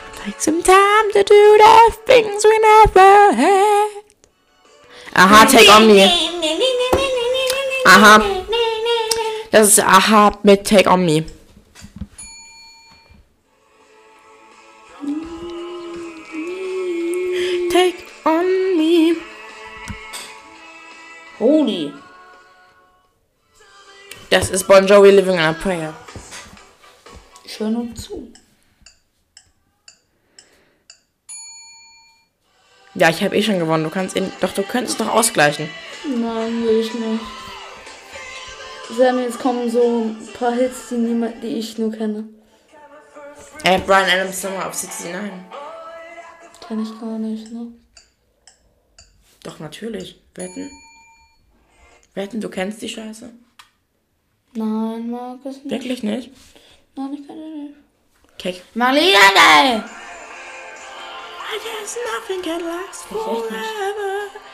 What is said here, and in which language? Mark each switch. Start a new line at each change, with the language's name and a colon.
English: Take some time to do the things we never had. Aha, take on me! Aha!
German: Das ist Aha mit Take On Me. Take On Me.
English: Holy.
German: Das ist Bon Jovi Living in a Prayer. Ich höre nur zu. Ja, ich habe eh schon gewonnen. Du kannst ihn. Doch, du könntest doch ausgleichen. Nein, will ich nicht. Jetzt kommen so ein paar Hits, die ich nur kenne. Ey, Brian Adams Summer of 69. Kenn ich gar nicht, ne? Doch, natürlich. Wetten? Wetten, du kennst die Scheiße? Nein, Markus nicht. Wirklich nicht? Nein, ich kenne die nicht. Kek. Marlene, ey!
English: I guess nothing can last forever.